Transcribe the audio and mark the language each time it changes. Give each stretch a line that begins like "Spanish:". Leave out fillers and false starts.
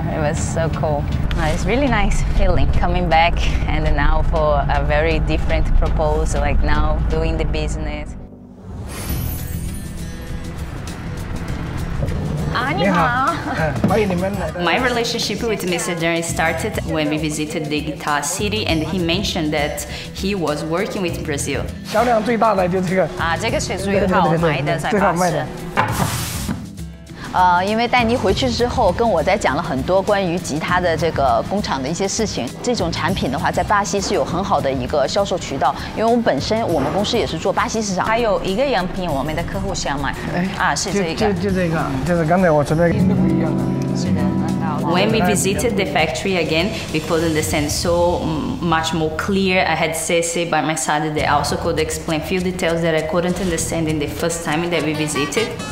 English: It was so cool. It's really nice feeling coming back and now for a very different proposal, like now doing the business.
Chinese: 你好。
English: My relationship with Mr. Dani started when we visited the Guitar City and he mentioned that he was working with Brazil.
Chinese: 销量最大的就是这个。啊，这个是最好卖的，在巴士。因为带你回去之后，跟我在讲了很多关于吉他的这个工厂的一些事情。这种产品的话，在巴西是有很好的一个销售渠道，因为我们公司也是做巴西市场。还有一个样品，我们的客户想买。哎，啊，是这个，就这个，就是刚才我说的。
English: When we visited the factory again, we could understand so much more clear. I had Cece by my side that also could explain few details that I couldn't understand in the first time that we visited.